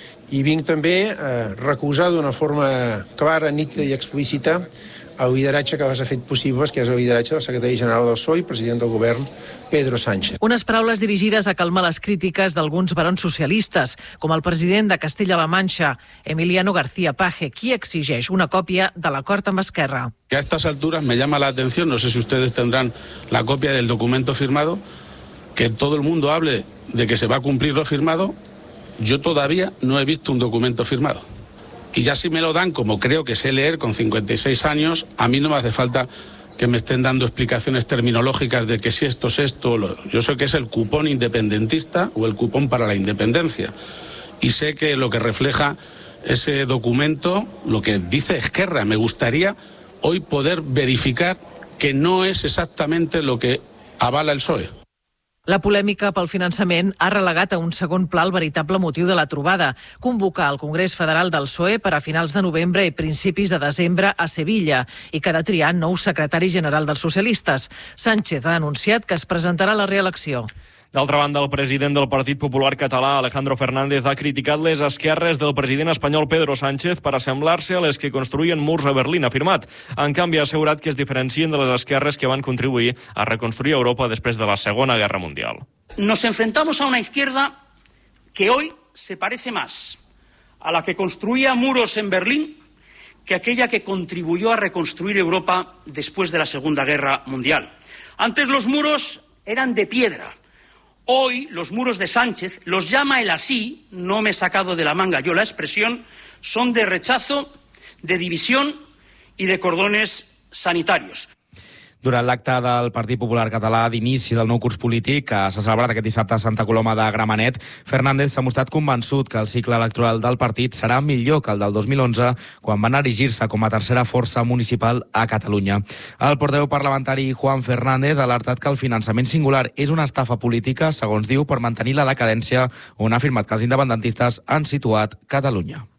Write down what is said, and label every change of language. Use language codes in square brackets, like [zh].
[ca] I vinc també a recusar d'una forma clara, nítida i explícita el lideratge que vas a fer possible, que és el lideratge del secretari general del PSOE, president del govern, Pedro Sánchez. Unes paraules dirigides a calmar les crítiques d'alguns barons socialistes, com el president de Castella-La Mancha, Emiliano García Page, qui exigeix una còpia de l'acord amb Esquerra. [es] A estas alturas me llama la atención, no sé si ustedes tendrán la copia del documento firmado, que todo el mundo hable de que se va a cumplir lo firmado. Yo todavía no he visto un documento firmado. Y ya si me lo dan, como creo que sé leer con 56 años, a mí no me hace falta que me estén dando explicaciones terminológicas de que si esto es esto. Yo sé que es el cupón independentista o el cupón para la independencia. Y sé que lo que refleja ese documento, lo que dice Esquerra, me gustaría hoy poder verificar que no es exactamente lo que avala el PSOE. [ca] La polèmica pel finançament ha relegat a un segon pla el veritable motiu de la trobada, convocar el Congrés Federal del PSOE per a finals de novembre i principis de desembre a Sevilla i que ha de triar nou secretari general dels socialistes. Sánchez ha anunciat que es presentarà a la reelecció. D'altra banda, el president del Partit Popular Català, Alejandro Fernández, ha criticat les esquerres del president espanyol Pedro Sánchez per assemblar-se a les que construïen murs a Berlín, ha afirmat. En canvi, ha assegurat que es diferencien de les esquerres que van contribuir a reconstruir Europa després de la Segona Guerra Mundial. [es] Nos enfrentamos a una izquierda que hoy se parece más a la que construía muros en Berlín que aquella que contribuyó a reconstruir Europa después de la Segunda Guerra Mundial. Antes los muros eran de piedra. Hoy los muros de Sánchez, los llama él así, no me he sacado de la manga yo la expresión, son de rechazo, de división y de cordones sanitarios. [ca] Durant l'acte del Partit Popular Català d'inici del nou curs polític, que s'ha celebrat aquest dissabte a Santa Coloma de Gramenet, Fernández s'ha mostrat convençut que el cicle electoral del partit serà millor que el del 2011, quan van erigir-se com a tercera força municipal a Catalunya. El portaveu parlamentari Juan Fernández ha alertat que el finançament singular és una estafa política, segons diu, per mantenir la decadència, on ha afirmat que els independentistes han situat Catalunya.